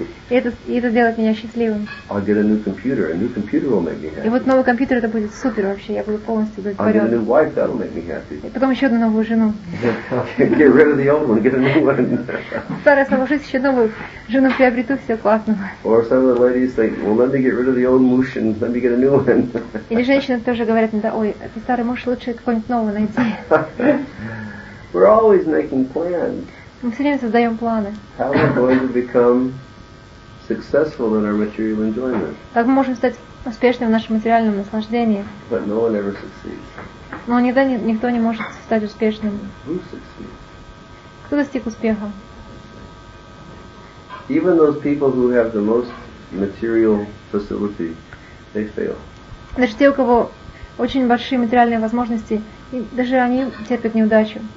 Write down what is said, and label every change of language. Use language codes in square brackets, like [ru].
[ru] Это сделает меня счастливым. [en] I'll get a new computer. A new computer will make me happy. [ru] И вот новый компьютер, это будет супер вообще. Я буду полностью удовлетворен. [en] I'll get a new wife. That'll make me happy. [ru] И потом еще одну новую жену. [en] Get rid of the old one. Get a new one. [ru] Старая освобожусь, еще новую жену приобрету. Все классно. [en] Or some of the ladies think, well, let me get rid of the old муж and let me get a new one. [ru] Или женщины тоже говорят, ой, это старый муж, лучше какой-нибудь новый найти. [en] We're always making plans. [ru] Мы все время создаем планы. [en] How are we going to become successful in our material enjoyment? [ru] Как мы можем стать успешными в нашем материальном наслаждении? [en] But no one ever succeeds. [ru] Но никогда никто не может стать успешным. [en] Who succeeds? [ru] Кто достиг успеха? [en] Even those people who have the most material facility, they fail. [ru] Даже те, у кого очень большие материальные возможности, и даже они терпят неудачу.